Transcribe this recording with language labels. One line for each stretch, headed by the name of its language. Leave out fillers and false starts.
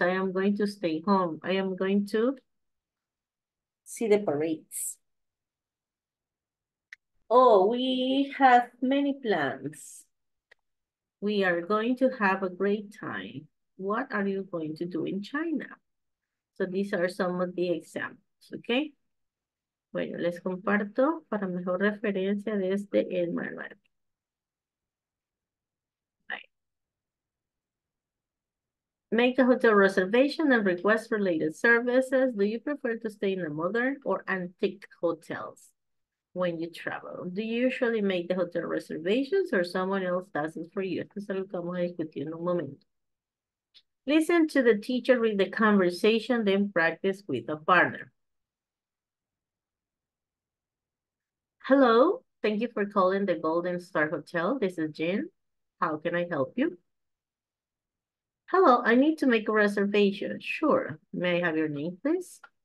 English: I am going to stay home. I am going to see the parades. Oh, we have many plans. We are going to have a great time. What are you going to do in China? So these are some of the examples, okay?
Spanish: Bueno, les comparto para mejor referencia desde el manual.
English: Right. Make a hotel reservation and request related services. Do you prefer to stay in a modern or antique hotels? When you travel, do you usually make the hotel reservations or someone else does it for you?
Spanish: Esto es lo que vamos a discutir en un momento.
English: Listen to the teacher read the conversation, then practice with a partner. Hello, Thank you for calling the Golden Star Hotel. This is Jin. How can I help you? Hello, I need to make a reservation. Sure. May I have your name, please?